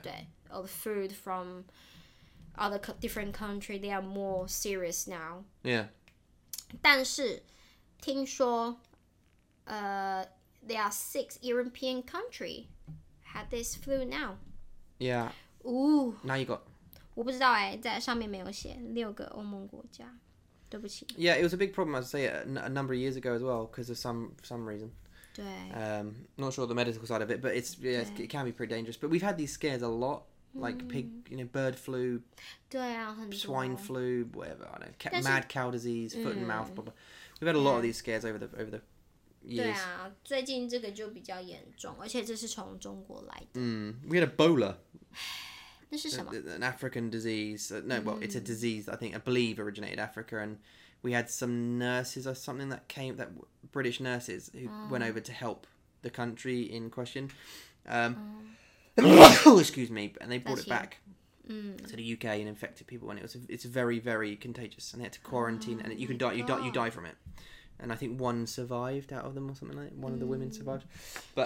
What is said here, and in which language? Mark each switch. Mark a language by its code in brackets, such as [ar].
[zh] 对, [en] or the food from other different country, they are more serious now. Yeah. [zh] 但是听说 [en] there are 6 European countries had this flu now. Yeah. Ooh. Now you got [zh] 我不知道耶，在上面没有写 6个欧盟国家 对不起。 [en] Yeah, it was a big problem, I'd say, a number of years ago as well, because of some reason. [zh] 对。 [en] Not sure the medical side of it, but it can be pretty dangerous. But we've had these scares a lot, like pig, you know, bird flu, [zh] 对啊, [en] swine flu, whatever, I don't know, mad cow disease, foot and mouth, blah, blah. We've had a lot of these scares over the years. [zh] 对啊，最近这个就比较严重，而且这是从中国来的。 [en] We had Ebola. [zh] 那是什么？ [en] An African disease. It's a disease, I think, I believe, originated Africa, and we had some nurses or something that came, that British nurses who went over to help the country in question. Excuse me, and they brought it back to the UK and infected people, and it's very, very contagious, and they had to quarantine, and you die from it, and I think one survived out of them or something like that. One of the women survived, but